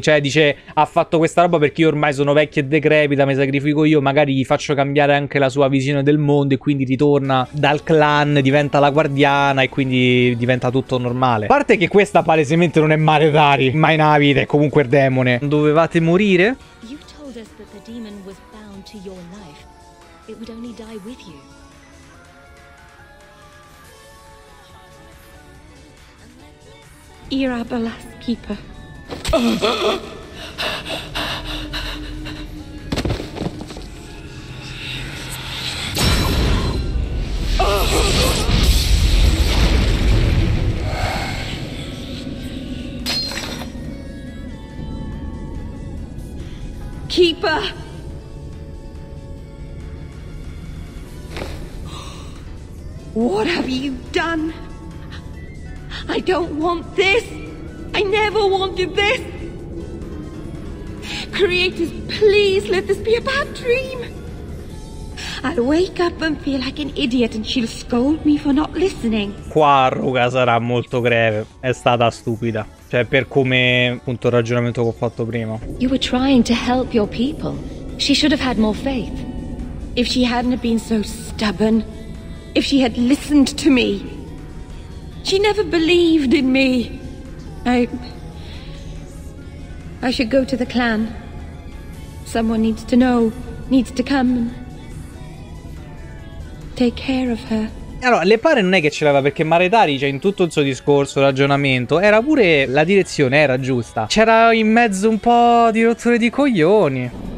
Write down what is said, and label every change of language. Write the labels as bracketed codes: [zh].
[it] Cioè dice, ha fatto questa roba perché io ormai sono vecchia e decrepita, mi sacrifico io, magari gli faccio cambiare anche la sua visione del mondo e quindi ritorno dal clan, diventa la guardiana e quindi diventa tutto normale. A parte che questa palesemente non è Maretari, ma in vita è comunque il demone. Dovevate morire? [en] You told us that the demon was bound to your life. It would only die with you. Ira Balas Keeper. Keeper! What have you done? I don't want this! I never wanted this! Creators, please let this be a bad dream! I'll wake up and feel like an idiot and she'll scold me for not listening. [it] Qua Ruga sarà molto greve. È stata stupida. Cioè, per come appunto il ragionamento che ho fatto prima. [en] You were trying to help your people. She should have had more faith. If she hadn't have been so stubborn. If she had listened to me. She never believed in me. I should go to the clan. Someone needs to know. Needs to come and take care of her. [it] Allora, le pare non è che ce l'aveva, perché Maretari, cioè, in tutto il suo discorso, ragionamento, era pure la direzione, era giusta. C'era in mezzo un po' di rotture di coglioni.